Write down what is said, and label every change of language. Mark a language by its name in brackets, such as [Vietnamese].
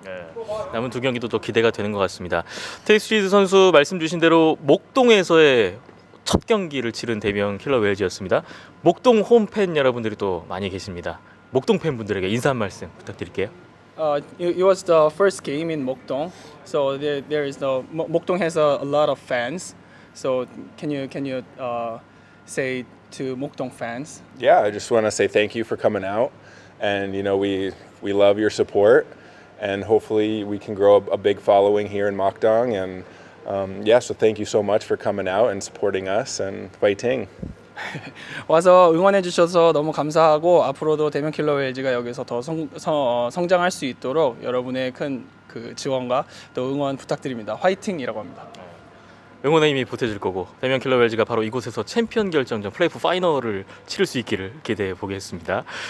[Korean] 네. 남은 두 경기도 더 기대가 되는 것 같습니다. 테스트위드 선수 말씀 주신 대로 목동에서의 첫 경기를 치른 대명 킬러 웨일즈였습니다. 목동 홈팬 여러분들이 또 많이 계십니다. 목동 팬분들에게 인사 한 말씀 부탁드릴게요. [English] It was the first game in Mokdong. So there is the Mokdong has a lot of fans. So can you say to Mokdong fans? Yeah, I just want to say thank you for coming out and you know we love your support and hopefully we can grow a big following here in Mokdong and yeah, so thank you so much for coming out and supporting us and fighting. [Korean] 와서 응원해 주셔서 너무 감사하고 앞으로도 대명 킬러 웨일즈가 여기서 더 성장할 수 있도록 여러분의 큰 그 지원과 또 응원 부탁드립니다. 화이팅이라고 합니다. 응원의 힘이 보태질 거고 대명 킬러 웨일즈가 바로 이곳에서 챔피언 결정전 플레이오프 파이널을 치를 수 있기를 기대해 보겠습니다.